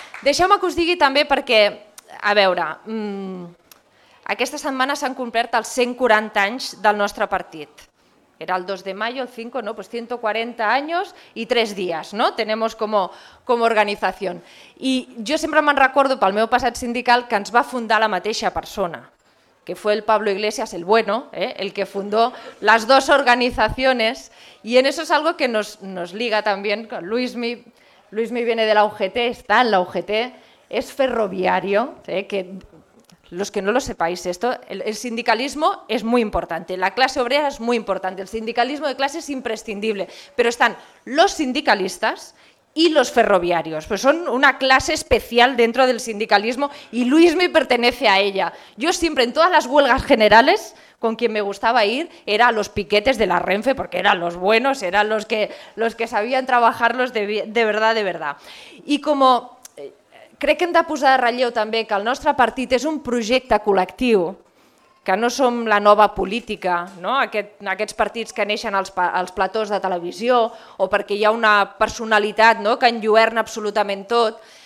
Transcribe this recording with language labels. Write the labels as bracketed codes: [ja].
[ca] Deixeu-me que us digui també perquè, a veure, aquesta setmana s'han complert els 140 anys del nostre partit. Era el 2 de maio, el 5, no? Pues 140 anys i 3 dies, no? [es] Tenemos como organización. [ca] I jo sempre me'n recordo pel meu passat sindical que ens va fundar la mateixa persona, [es] que fue el Pablo Iglesias el Bueno, el que fundó las dos organizaciones, y en eso es algo que nos liga también con Luismi. Luismi viene de la UGT, está en la UGT, es ferroviario, que los que no lo sepáis esto, el sindicalismo es muy importante, la clase obrera es muy importante, el sindicalismo de clase es imprescindible, pero están los sindicalistas y los ferroviarios, pues son una clase especial dentro del sindicalismo y Luismi pertenece a ella. Yo siempre en todas las huelgas generales con quien me gustaba ir era a los piquetes de la Renfe, porque eran los buenos, eran los que sabían trabajarlos de verdad, de verdad. [ca] Y como crec que hem de posar en relleu també que el nostre partit és un projecte col·lectiu, que no som la nova política, no? Aquests partits que neixen als platós de televisió o perquè hi ha una personalitat, no?, que enlluerna absolutament tot.